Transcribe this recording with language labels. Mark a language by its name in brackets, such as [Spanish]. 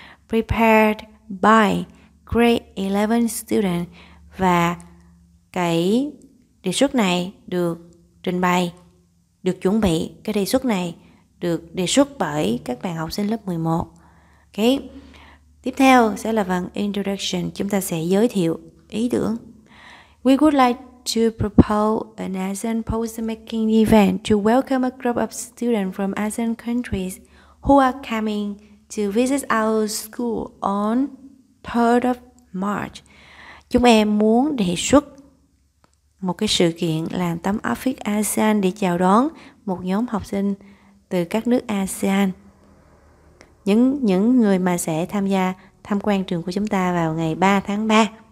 [English] Prepared by grade 11 student, [Vietnamese] và cái đề xuất này được trình bày được chuẩn bị. Cái đề xuất này được đề xuất bởi các bạn học sinh lớp 11. Okay. Tiếp theo sẽ là phần introduction, chúng ta sẽ giới thiệu ý tưởng. [English] We would like to propose an ASEAN poster making event to welcome a group of students from ASEAN countries who are coming to visit our school on 3rd of March. [Vietnamese] Chúng em muốn đề xuất một cái sự kiện làm tấm áp phích ASEAN để chào đón một nhóm học sinh từ các nước ASEAN. Những người mà sẽ tham gia tham quan trường của chúng ta vào ngày 3 tháng 3.